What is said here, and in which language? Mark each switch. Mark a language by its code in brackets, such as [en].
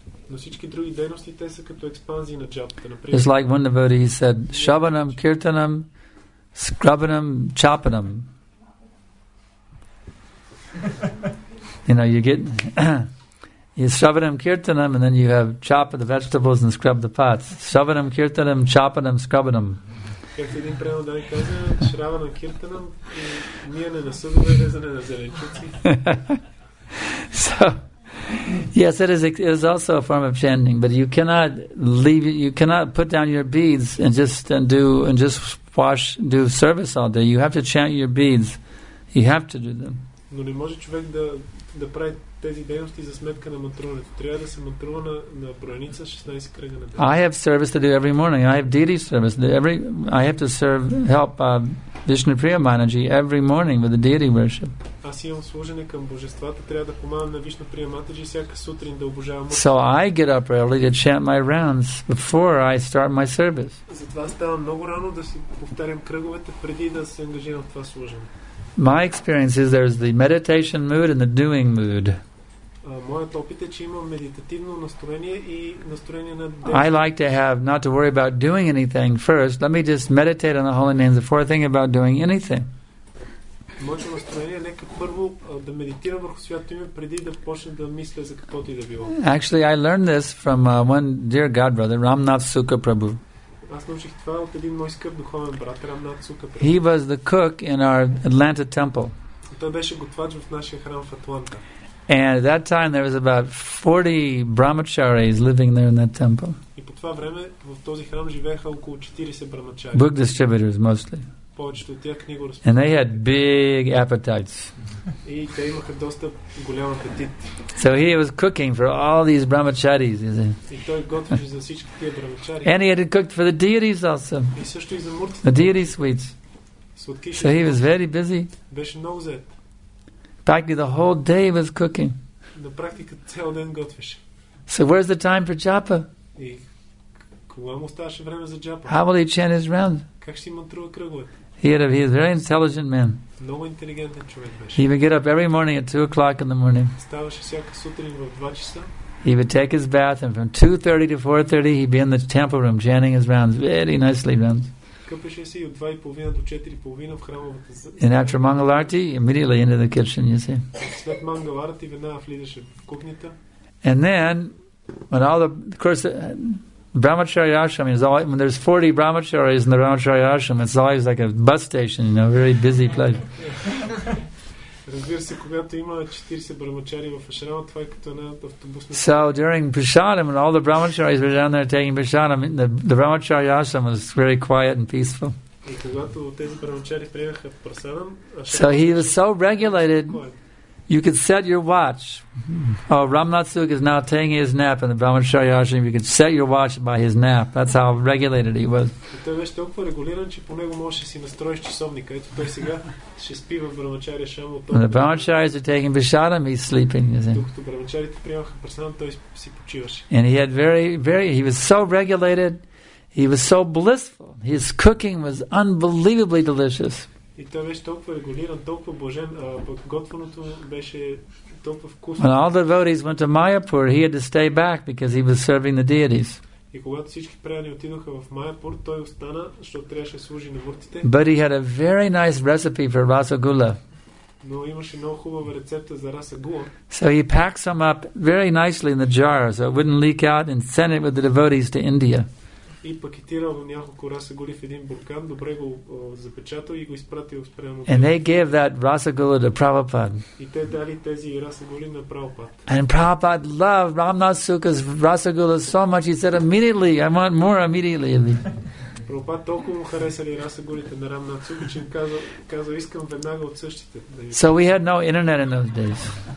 [bg] Но всички други дейности, те са като експанзии на джапата. [en] It's like one devotee, he said, Shravanam, Kirtanam, Scrubanam, Chapanam. You know, you get you Shravanam, Kirtanam, and then you have chop the vegetables and scrub the pots. Shravanam, Kirtanam, Chapanam, Scrubanam. [bg] Както един преводач каза, Шравана Киртанам, миене на съдове, резане на зеленчуци. [en] So, yes, it is also a form of chanting, but you cannot leave. You cannot put down your beads and just wash service all day. You have to chant your beads. You have to do them. [bg] Но не може човек да прави тези дейности за сметка на мантруването. Трябва да се мантрува на броеница 16 кръга на ден. [en] I have service to do every morning. I have deity service. I have to serve help Vishnu Priya Manaji every morning with the deity worship. [bg] Аз имам служене към божествата, трябва да помагам на Вишна Прия Матаджи всяка сутрин да обожавам. [en] So I get up early to chant my rounds before I start my service. [bg] Затова ставам много рано да си повтарям кръговете преди да се ангажирам в това служене. [en] My experience is there's the meditation mood and the doing mood. [bg] Моят опит е, че има медитативно настроение и настроение на действие. [en] I like to have not to worry about doing anything first. Let me just meditate on the holy names before thinking about doing anything. [bg] Моето настроение е нека първо да медитирам върху Свято име преди да почна да мисля за каквото и да било. [en] Actually, I learned this from one dear godbrother, Ramnath Sukha Prabhu. [bg] Аз научих това от един мой скъп духовен брат, Рамнат Сука [en] Прабху. He was the cook in our Atlanta temple. [bg] Той беше готвач в нашия храм в Атланта. [en] And at that time there was about 40 brahmacharis living there in that temple. [bg] И по това време в този храм живееха около 40 брамачари. [en] Book distributors mostly. [bg] Повечето от тях книго разпределители. [en] And they had big appetites. [bg] И те имаха доста голям апетит. [en] So he was cooking for all these brahmacharis, you see. [bg] И той готвеше за всички тия брамачари. [en] And he had cooked for the deities also. [bg] И също и за муртите. [en] The deity sweets. So he was very busy. [bg] Беше много зает. [en] Practically the whole day was cooking. [bg] На практика цял ден готвеше. [en] So where's the time for japa? [bg] И кога му оставаше време за джапа? [en] How will he chant his round? [bg] Как ще мантрува кръговете? [en] He is a very intelligent man. [bg] Много интелигентен човек беше. [en] He would get up every morning at 2:00 in the morning. [bg] Ставаше всяка сутрин в 2 часа. [en] He would take his bath and from 2:30 to 4:30 he'd be in the temple room chanting his rounds very nicely rounds. [bg] Къпеше се от 2:30 до 4:30 в храмовата зала. [en] And after Mangal Arati, immediately into the kitchen, you see. [bg] След Mangal Arati веднага влизаше в кухнята. [en] And then, when all the, of course, Brahmachari Ashram is always, when there's 40 Brahmacharis in the Brahmachari Ashram, it's always like a bus station, you know, very busy place. [bg] Разбира се, когато има 40 брамачари в ашрама, това е като една автобусна. [en] So during prasadam, when all the brahmacharis were down there taking prasadam, the brahmachari ashram was very quiet and peaceful. [bg] И когато тези брамачари приеха прасадам, [en] so he was so regulated, you could set your watch. Oh, Ramnath Sukha is now taking his nap in the brahmachari ashram. You could set your watch by his nap. That's how regulated he was. [bg] Той беше толкова регулиран, че по него можеше си настроиш часовника. Ето той сега ще спи в брамачари ашрама. [en] The brahmacharis are taking prasadam, he's sleeping. [bg] Докато брамачарите приемаха прасадам, той си почиваше. [en] And he had very, very, he was so regulated. He was so blissful. His cooking was unbelievably delicious. [bg] И той беше толкова регулиран, толкова блажен, а пък готвеното беше толкова вкусно. [en] When all the devotees went to Mayapur, he had to stay back because he was serving the deities. [bg] И когато всички преяни отидоха в Майапур, той остана, защото трябваше да служи на муртите. [en] But he had a very nice recipe for Rasagula. [bg] Но имаше много хубава рецепта за раса гула. [en] So he packed some up very nicely in the jar so it wouldn't leak out and sent it with the devotees to India. [bg] И пакетирал няколко раса гули в един буркан, добре го запечатал и го изпратил спрямо. [en] And they gave that rasa gula to Prabhupada. [bg] И те дали тези раса гули на Прабхупада. [en] And Prabhupada loved Ramnath Sukha's rasa gula so much he said immediately I want more immediately. [bg] Прабхупада толкова му харесали раса гулите на Рамнат Сука, че им казал, искам веднага от същите. [en] So we had no internet in those days.